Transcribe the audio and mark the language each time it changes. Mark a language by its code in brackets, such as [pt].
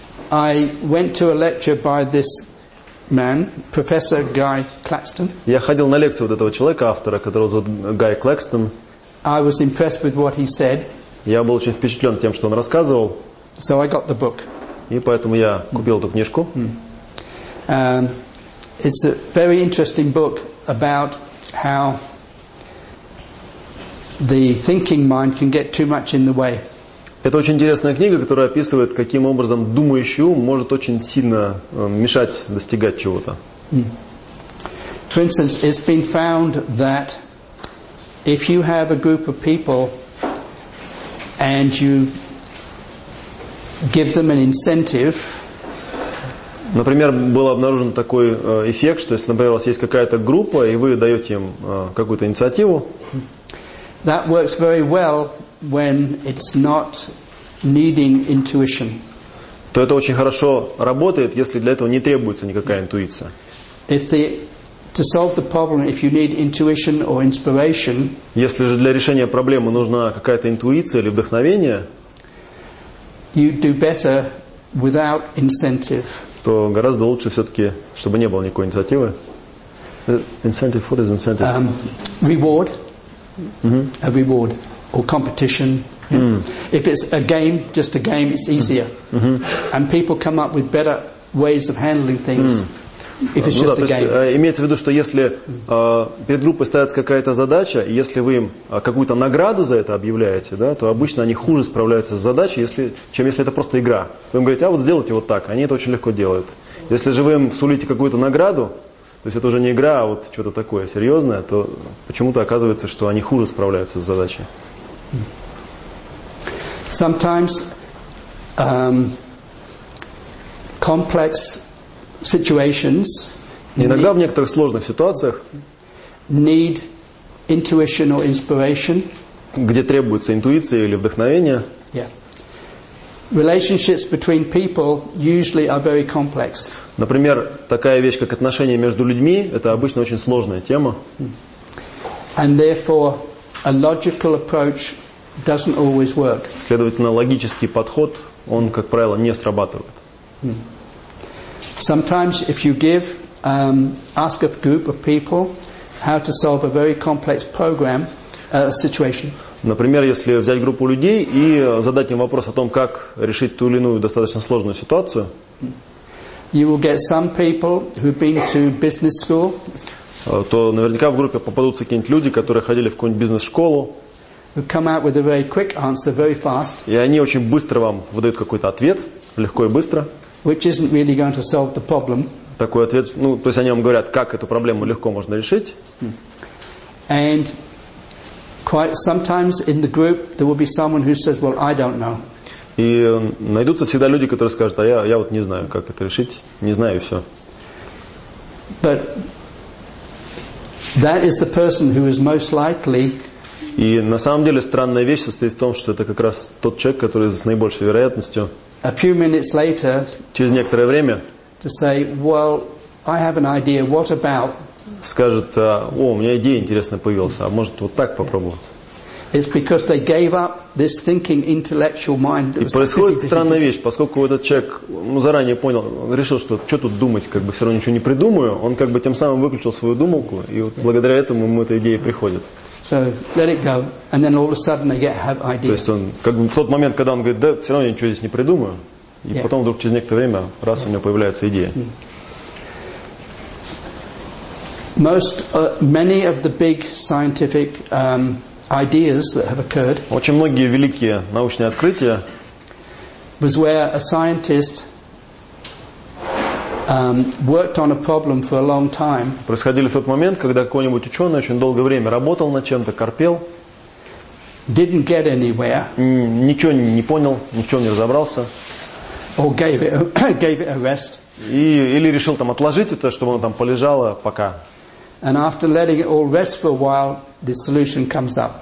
[en] I went to a lecture by this man, Professor Guy Claxton. [ru] Я ходил на лекцию вот этого человека, автора, которого зовут Гай Клэкстон. [en] I was impressed with what he said. [ru] Я был очень впечатлен тем, что он рассказывал. [en] So I got the book. [ru] И поэтому я купил эту книжку. [en] It's a very interesting book about how the thinking mind can get too much in the way. [ru] Это очень интересная книга, которая описывает, каким образом думающий ум может очень сильно мешать достигать чего-то. [en] For instance, it's been found that if you have a group of people and you give them an incentive. [ru] Например, был обнаружен такой эффект, что если, например, у вас есть какая-то группа, и вы даете им какую-то инициативу, [en] that works very well when it's not needing intuition. [ru] То это очень хорошо работает, если для этого не требуется никакая интуиция. [en] To solve the problem, if you need intuition or inspiration, [ru] если же для решения проблемы нужна какая-то интуиция или вдохновение, [en] you do better without incentive. [ru] То гораздо лучше все-таки, чтобы не было никакой инициативы. [en] Incentive, what is incentive? Reward. Mm-hmm. A reward or competition. Mm-hmm. If it's a game, just a game, it's easier. Mm-hmm. And people come up with better ways of handling things. Mm-hmm. If it's just the game. [ru] Имеется в виду, что если перед группой ставится какая-то задача, и если вы им какую-то награду за это объявляете, да, то обычно они хуже справляются с задачей, чем если это просто игра. Вы им говорите, а вот сделайте вот так, они это очень легко делают. Если же вы им сулите какую-то награду, то есть это уже не игра, а вот что-то такое серьезное, то почему-то оказывается, что они хуже справляются с задачей. [en] Sometimes complex situations. [ru] Иногда в некоторых сложных ситуациях [en] need intuition or inspiration. [ru] Где требуется интуиция или вдохновение? [en] Yeah. Relationships between people usually are very complex. [ru] Например, такая вещь, как отношения между людьми, это обычно очень сложная тема. [en] And therefore, a logical approach doesn't always work. [ru] Следовательно, логический подход, он, как правило, не срабатывает. [en] Sometimes if you give ask a group of people how to solve a very complex program situation. [ru] Например, если взять группу людей и задать им вопрос о том, как решить ту или иную достаточно сложную ситуацию. [en] You will get some people who've been to business school. [ru] То наверняка в группе попадутся какие-нибудь люди, которые ходили в какую-нибудь бизнес-школу. [en] Who come out with a very quick answer, very fast. [ru] И они очень быстро вам выдают какой-то ответ, легко и быстро. [en] Which isn't really going to solve the problem. [ru] Такой ответ, ну, то есть они вам говорят, как эту проблему легко можно решить. [en] And quite sometimes in the group there will be someone who says, well, I don't know. [ru] И найдутся всегда люди, которые скажут, а я вот не знаю, как это решить, не знаю и все. [en] But that is the person who is most likely. [ru] И на самом деле странная вещь состоит в том, что это как раз тот человек, который с наибольшей вероятностью. [en] A few minutes later, [ru] через некоторое время, [en] to say, well, I have an idea. What about? [ru] Скажет, о, у меня идея интересная появилась. А может вот так попробовать? [en] It's because they gave up this thinking, intellectual mind. [ru] И происходит странная вещь, поскольку этот человек заранее понял, решил, что тут думать, как бы все равно ничего не придумаю. Он как бы тем самым выключил свою думалку, и вот благодаря этому ему эта идея приходит. [en] So let it go, and then all of a sudden they get have ideas. [ru] То есть он как бы в тот момент, когда он говорит, да, все равно я ничего здесь не придумаю, и потом вдруг через некоторое время раз у него появляется идея. [en] Many of the big scientific ideas that have occurred. [ru] Очень многие великие научные открытия. [en] Was where a scientist worked on a problem for a long time. [ru] Происходили в тот момент, когда какой-нибудь ученый очень долгое время работал над чем-то, корпел. [en] Didn't get anywhere. [ru] Ничего не понял, ни в чем не разобрался. [en] Or gave it a rest. [ru] Или решил там отложить это, чтобы оно там полежало пока. [en] And after letting it all rest for a while, the solution comes up.